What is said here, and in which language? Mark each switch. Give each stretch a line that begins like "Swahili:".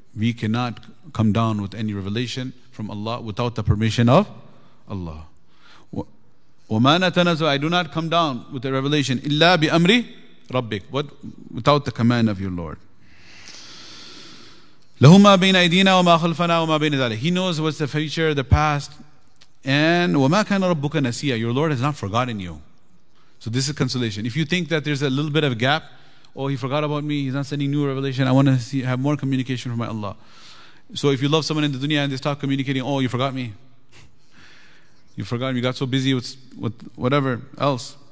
English: We cannot come down with any revelation from Allah without the permission of Allah.
Arabic: وَمَا نَتَنَزَّلُ.
English: I do not come down with a revelation.
Arabic: إِلَّا بِأَمْرِ رَبِّكَ.
English: Without the command of your Lord.
Arabic: لَهُمَا بَيْنَ أَيْدِينَا وَمَا خَلْفَنَا وَمَا بَيْنَ ذَلِكَ.
English: He knows what's the future, the past.
Arabic: And وَمَا كَانَ رَبُّكَ نَسِيَا.
English: Your Lord has not forgotten you. So this is consolation. If you think that there's a little bit of gap, oh, he forgot about me, he's not sending new revelation, I want to see, have more communication from my Allah. So if you love someone in the dunya and they stop communicating, oh, you forgot me. You forgot me, you got so busy with whatever else.